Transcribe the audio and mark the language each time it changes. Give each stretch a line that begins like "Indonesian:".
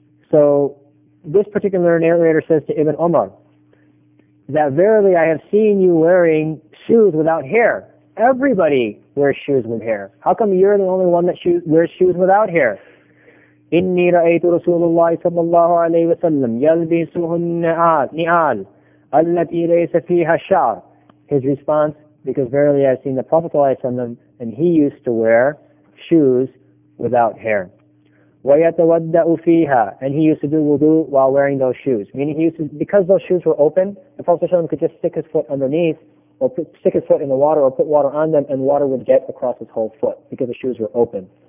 English: So this particular narrator says to ابن عمر that verily I have seen you wearing shoes without hair. Everybody wears shoes with hair. How come you're the only one that wears shoes without hair?
Arabic: إني رأيت رسول الله صلى الله عليه وسلم يلبسه النعال التي ليس فيها شعر.
English: His response, because verily I've seen the Prophet صلى الله عليه وسلم and he used to wear shoes without hair.
Arabic: ويتودأ فيها,
English: and he used to do wudu while wearing those shoes. Meaning he used to, because those shoes were open, the Prophet صلى الله عليه وسلم could just stick his foot underneath or stick his foot in the water or put water on them and water would get across his whole foot because the shoes were open.